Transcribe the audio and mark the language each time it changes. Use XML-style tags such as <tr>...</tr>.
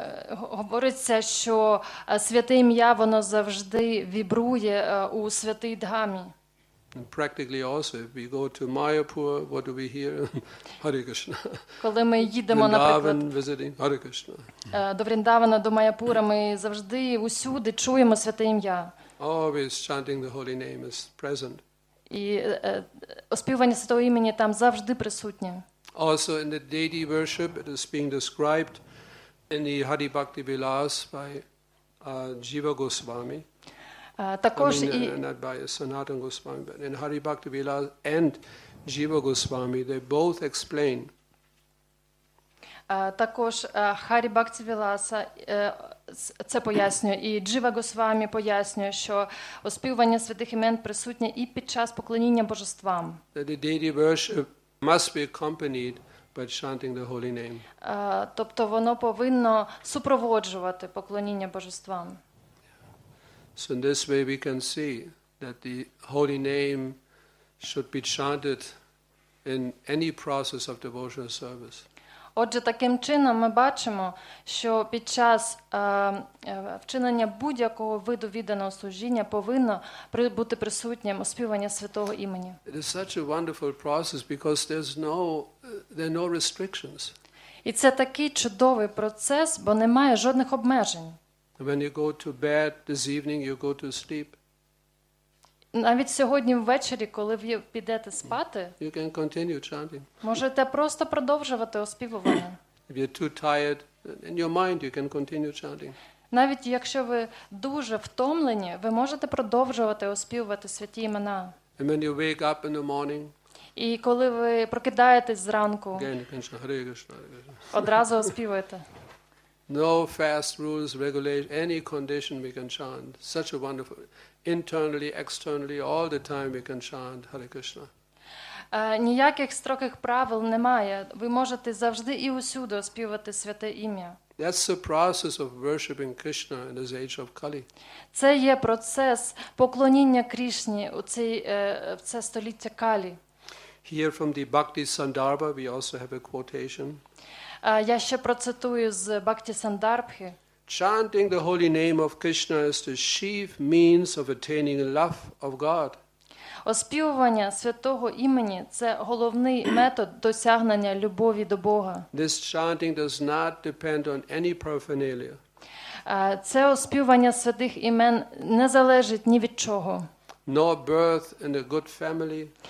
<uk>Говориться, що святе ім'я, воно завжди вібрує у святій дхамі.</uk> <en>Practically also, if we go to Mayapur, what do we hear? Hare Krishna.</en> <uk>Коли ми їдемо, наприклад,</uk> <en>visiting, Hare Krishna.</en> <uk>До Вріндавана, до Майяпура, ми завжди усюди чуємо святе ім'я.</uk> <en>Always chanting the holy name is present.</en> <uk>І оспівування святого імені там завжди присутнє.</uk> <en>Also in the deity worship, it is being described in the Hari Bhakti Vilas by Jiva Goswami.</en> <uk>Також</uk> <en>I mean, not by Sanatana Goswami, but in Hari Bhakti Vilas and Jiva Goswami, they both explain.</en> <uk>Також Харі Бхакті Віласа це пояснює, і Джива Госвамі пояснює, що оспівування святих імен присутнє і під час поклоніння божествам.</uk> <en>That the deity worship must be accompanied by chanting the holy name.</en> <uk>Тобто воно повинно супроводжувати поклоніння божествам.</uk> <en>So in this way we can see that the holy name should be chanted in any process of devotional service.</en> <uk>Отже, таким чином ми бачимо, що під час вчинення будь-якого виду відданого служіння повинно бути присутнім оспівання святого імені.</uk> <en>It is such a wonderful process because there are no restrictions.</en> <uk>І це такий чудовий процес, бо немає жодних обмежень.</uk> <en>When you go to bed this evening, you go to sleep.</en> <uk>Навіть сьогодні ввечері, коли ви підете спати,</uk> <en>you can continue chanting.</en> <uk>Можете просто продовжувати оспівування.</uk> <en>If you're too tired, in your mind you can continue chanting.</en> <uk>Навіть якщо ви дуже втомлені, ви можете продовжувати оспівувати святі імена.</uk> <en>And when you wake up in the morning,</en> <uk>і коли ви прокидаєтесь зранку,</uk> <en>again, you can chant Hare Krishna.</en> <uk>Одразу оспівуєте.</uk> <en>No fast rules, regulation, any condition we can chant. Such a wonderful, internally, externally, all the time we can chant Hare Krishna.</en> <uk>Ніяких строгих правил немає. Ви можете завжди і усюди оспівати святе ім'я.</uk> <en>That's the process of worshiping Krishna in this age of Kali.</en> <uk>Це є процес поклоніння Кришні у цей в це століття Калі.</uk> <en>Here from the Bhakti Sandarbha we also have a quotation.</en> <uk>Я ще процитую з Бхакти Сандарбхи.</uk> <en>Chanting the holy name of Krishna is the chief means of attaining love of God.</en> <uk>Оспівування святого імені – це головний метод досягнення любові до Бога.</uk> <en>This chanting does not depend on any paraphernalia.</en> <uk>Це оспівування святих імен не залежить ні від чого.</uk> <en>No birth in a good family.</en>